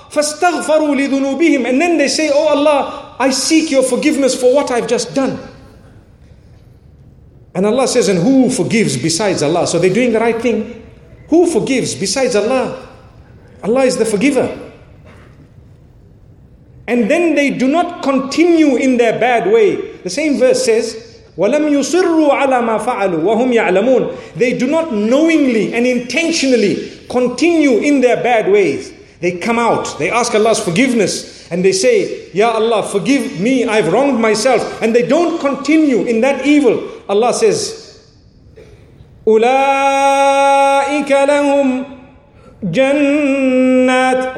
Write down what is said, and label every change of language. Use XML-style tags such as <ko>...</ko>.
<ar>Fastaghfaru lidhunubihim.</ar> <en>And then they say, oh Allah, I seek your forgiveness for what I've just done. And Allah says, and who forgives besides Allah? So they're doing the right thing. Who forgives besides Allah? Allah is the forgiver. And then they do not continue in their bad way. The same verse says,</en> <ar>وَلَمْ يُصِرُّوا عَلَىٰ مَا فَعَلُوا وَهُمْ يَعْلَمُونَ.</ar> <en>They do not knowingly and intentionally continue in their bad ways. They come out, they ask Allah's forgiveness, and they say, Ya Allah, forgive me, I've wronged myself. And they don't continue in that evil. Allah says,</en> <ar>أُولَٰئِكَ لَهُمْ جَنَّاتٍ.</ar>